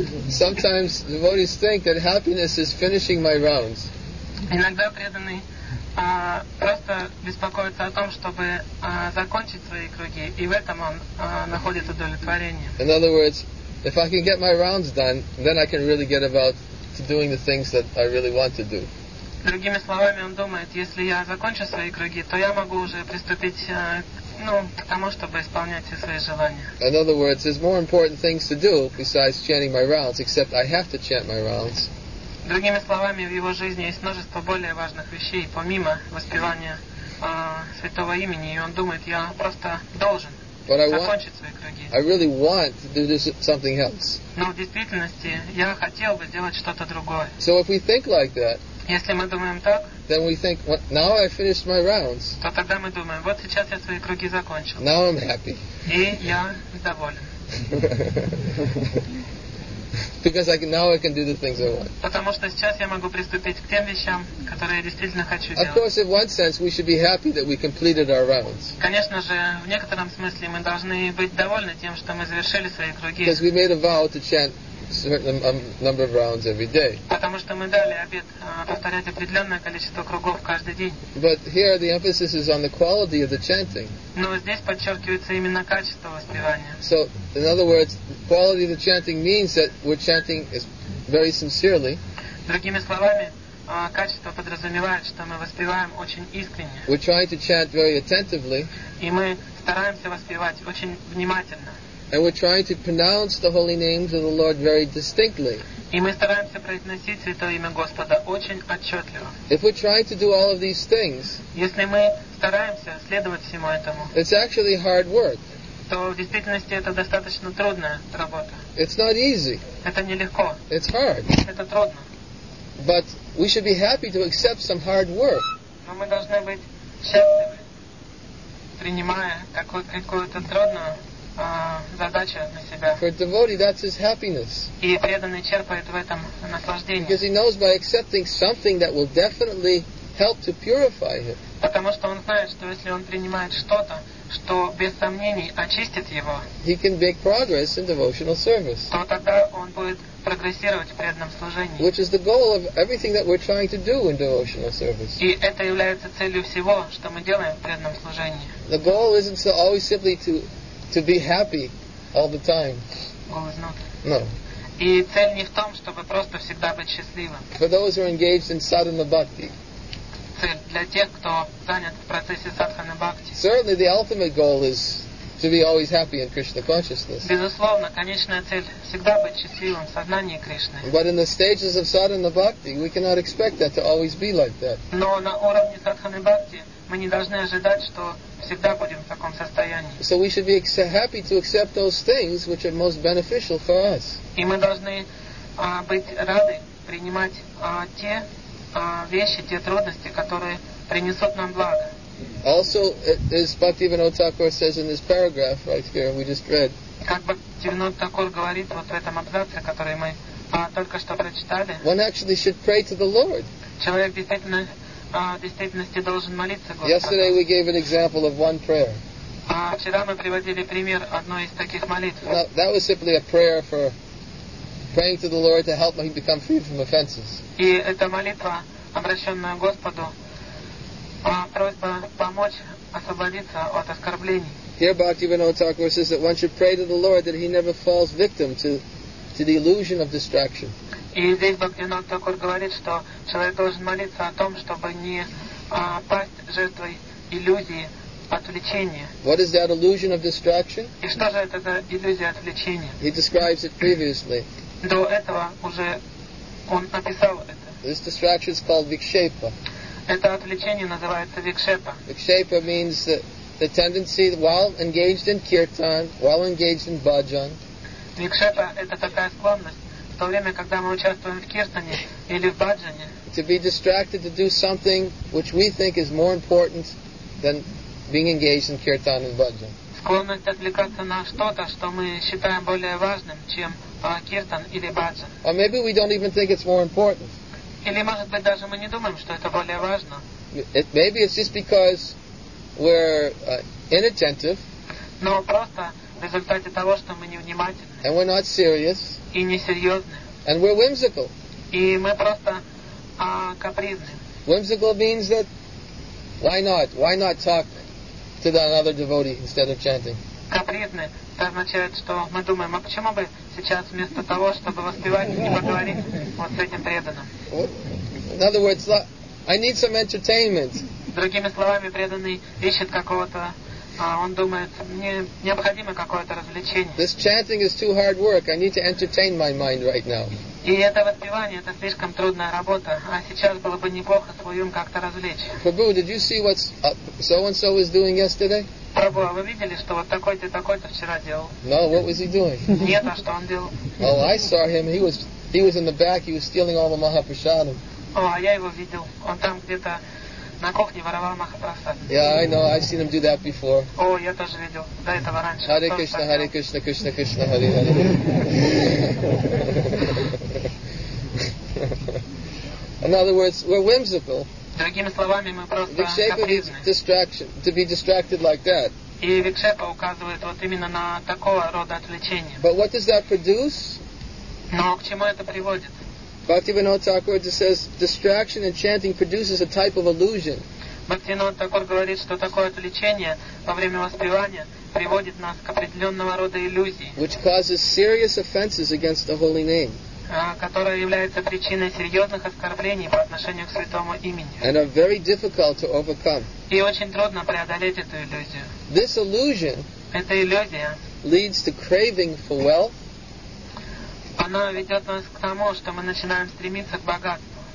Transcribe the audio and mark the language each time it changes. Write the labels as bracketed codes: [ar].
[en] Sometimes devotees think that happiness is finishing my rounds. [ru] Иногда преданный просто беспокоится о том, чтобы закончить свои круги, и в этом он находит удовлетворение. [en] In other words, if I can get my rounds done, then I can really get about to doing the things that I really want to do. [ru] Другими словами, он думает, если я закончу свои круги, то я могу уже приступить к тому, чтобы исполнять все свои желания. [en] In other words, there's more important things to do besides chanting my rounds, except I have to chant my rounds. [ru] Другими словами, в его жизни есть множество более важных вещей, помимо воспевания святого имени, и он думает, я просто должен закончить свои круги. [en] I really want to do this, something else. [ru] Но в действительности я хотел бы сделать что-то другое. [en] So if we think like that, [ru] если мы думаем так, [en] then we think, well, now I finished my rounds. [ru] То тогда мы думаем, вот сейчас я свои круги закончил. [en] Now I'm happy. [ru] И я доволен. [en] Because I can, now I can do the things I want. [ru] Потому что сейчас я могу приступить к тем вещам, которые я действительно хочу делать. [en] Of course, in one sense, we should be happy that we completed our rounds. [ru] Конечно же, в некотором смысле мы должны быть довольны тем, что мы завершили свои круги. [en] Because we made a vow to chant a certain number of rounds every day. [ru] Потому что мы дали обет повторять определенное количество кругов каждый день. [en] But here the emphasis is on the quality of the chanting. [ru] Но здесь подчеркивается именно качество воспевания. [en] So, in other words, quality of the chanting means that we're chanting is very sincerely. [ru] Другими словами, качество подразумевает, что мы воспеваем очень искренне. [en] We're trying to chant very attentively. [ru] И мы стараемся воспевать очень внимательно. [en] And we're trying to pronounce the holy names of the Lord very distinctly. [ru] И мы стараемся произносить святое имя Господа очень отчетливо. [en] If we're trying to do all of these things, [ru] если мы стараемся следовать всему этому, [en] it's actually hard work. [ru] То в действительности это достаточно трудная работа. [en] It's not easy. [ru] Это нелегко. [en] It's hard. [ru] Это трудно. [en] But we should be happy to accept some hard work. [ru] Но мы должны быть счастливы, принимая какую-то трудную задача на себя. [en] For a devotee, that's his happiness. [ru] И преданный черпает в этом наслаждение. [en] Because he knows by accepting something that will definitely help to purify him. [ru] Потому что он знает, что если он принимает что-то, что без сомнений очистит его, [en] he can make progress in devotional service, [ru] то тогда он будет прогрессировать в преданном служении. [en] Which is the goal of everything that we're trying to do in devotional service. [ru] И это является целью всего, что мы делаем в преданном служении. [en] The goal isn't so always simply to be happy all the time. Goal is not. No. [ru] И цель не в том, чтобы просто всегда быть счастливым. [en] For those who are engaged in sadhana bhakti. [ru] Цель для тех, кто занят в процессе садханы бхакти. [en] Certainly the ultimate goal is to be always happy in Krishna consciousness. [ru] Безусловно, конечная цель всегда быть счастливым в сознании Кришны. [en] But in the stages of sadhana bhakti, we cannot expect that to always be like that. [ru] Но на уровне садханы бхакти мы не должны ожидать, что всегда будем в таком состоянии. [en] So we should be happy to accept those things which are most beneficial for us. [ru] И мы должны быть рады принимать те вещи, те трудности, которые принесут нам благо. [en] Also, as Bhaktivinoda Thakur says in this paragraph right here, we just read. [ru] Как Бхактивинода Такур говорит вот в этом абзаце, который мы только что прочитали. [en] One actually should pray to the Lord. [ru] Человек действительно действительности должен молиться Господу. [en] Yesterday we gave an example of one prayer. [ru] Вчера мы приводили пример одной из таких молитв. [en] Now, that was simply a prayer for praying to the Lord to help him become free from offenses. [ru] И эта молитва, обращенная Господу, просьба помочь освободиться от оскорблений. [en] Here Bhaktivinoda Thakur says that one should pray to the Lord that he never falls victim to the illusion of distraction. [ru] И здесь Бхактивинода Такур говорит, что человек должен молиться о том, чтобы не пасть жертвой иллюзии отвлечения. [en] What is that illusion of distraction? [ru] И что же это за иллюзия отвлечения? [en] He describes it previously. [ru] До этого уже он описал это. [en] This distraction is called vikshepa. [ru] Это отвлечение называется викшепа. [en] Викшепа means the tendency while engaged in kirtan, while engaged in bhajan. [ru] Викшепа это такая склонность в то время, когда мы участвуем в киртане или в бхаджане. [en] To be distracted to do something which we think is more important than being engaged in kirtan and bhajan. [ru] Склонность отвлекаться на что-то, что мы считаем более важным, чем киртан или бхаджан. [en] Or maybe we don't even think it's more important. [ru] Или, может быть, даже мы не думаем, что это более важно. [en] Maybe it's just because we're inattentive. [ru] Но просто в результате того, что мы невнимательны. [en] And we're not serious. [ru] И несерьезны. [en] And we're whimsical. [ru] И мы просто капризны. [en] Whimsical means that why not? Why not talk to the another devotee instead of chanting? [ru] Капризны. Это означает, что мы думаем, а почему бы сейчас вместо того, чтобы воспевать, не поговорить вот с этим преданным? [en] In other words, I need some entertainment. [ru] Другими словами, преданный ищет какого-то, он думает, мне необходимо какое-то развлечение. [en] This chanting is too hard work. I need to entertain my mind right now. [ru] И это воспевание, это слишком трудная работа. А сейчас было бы неплохо свой ум как-то развлечь. [en] Prabhu, did you see what so-and-so was doing yesterday? [ru] Прабу, а вы видели, что вот такой-то и такой-то вчера делал? [en] No, what was he doing? [ru] Нет, а что он делал? [en] Oh, I saw him. He was in the back. He was stealing all the Mahaprasadam. [ru] О, а я его видел. Он там где-то на кухне воровал Махапрасад. [en] Yeah, I know. I've seen him do that before. [ru] О, я тоже видел. До этого раньше. [sa] Hare Krishna, Hare Krishna, Krishna Krishna, Hare Hare. [en] In other words, we're whimsical. [ru] Другими словами, мы просто капризны. [en] Vikshepa means distraction, to be distracted like that. [ru] И викшепа указывает вот именно на такого рода отвлечение. [en] But what does that produce? [ru] Но к чему это приводит? [en] Bhaktivinoda Thakur just says distraction in chanting produces a type of illusion. [ru] Bhaktivinoda Thakur говорит, что такое отвлечение во время воспевания приводит нас к определенного рода иллюзии. [en] Which causes serious offenses against the holy name. [ru] Которая является причиной серьезных оскорблений по отношению к святому имени. [en] And are very difficult to overcome. [ru] И очень трудно преодолеть эту иллюзию. [en] This illusion [ru] эта иллюзия [en] leads to craving for wealth. [ru] Она ведет нас к тому, что мы начинаем стремиться к богатству.